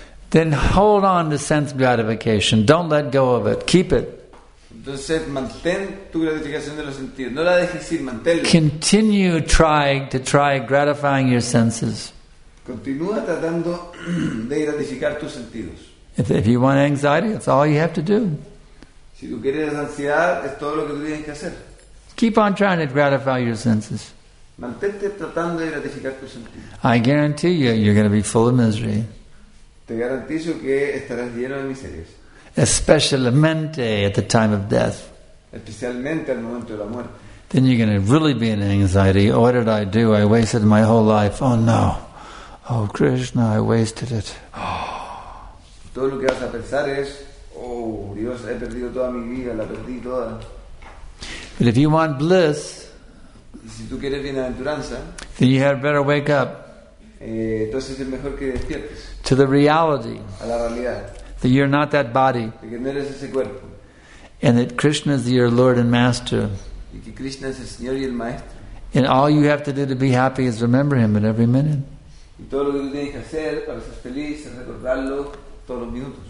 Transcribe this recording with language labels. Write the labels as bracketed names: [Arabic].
[English] then hold on to sense gratification. Don't let go of it. Keep it. [Spanish] Entonces mantén tu gratificación de los sentidos. No la dejes ir, manténla. [English] Continue trying to try gratifying your senses. [Spanish] Continúa tratando de gratificar tus sentidos. [English] If you want anxiety, that's all you have to do. [Spanish] Si tú quieres ansiedad, es todo lo que tú tienes que hacer. [English] Keep on trying to gratify your senses. [Spanish] Mantente tratando de gratificar tus sentidos. [English] I guarantee you, you're going to be full of misery. [Spanish] Te garantizo que estarás lleno de miserias. Especialmente [English] at the time of death. [Spanish] Especialmente al momento de la muerte. [English] Then you're going to really be in anxiety. Oh, what did I do? I wasted my whole life. Oh no. Oh Krishna, I wasted it. [Spanish] Todo lo que vas a pensar es, oh Dios, he perdido toda mi vida, la perdí toda. [English] But if you want bliss, [Spanish] si tú quieres bienaventuranza, [English] then you had better wake up. [Spanish] Entonces es mejor que despiertes. [English] To the reality. [Spanish] A la realidad. [English] That you're not that body. [Spanish] Que no eres ese cuerpo. [English] and that Krishna is your Lord and Master. [Spanish] Y que Krishna es el Señor y el Maestro. [English] And all you have to do to be happy is remember Him at every minute. [Spanish] Y todo lo que tú tienes que hacer para ser feliz es recordarlo todos los minutos.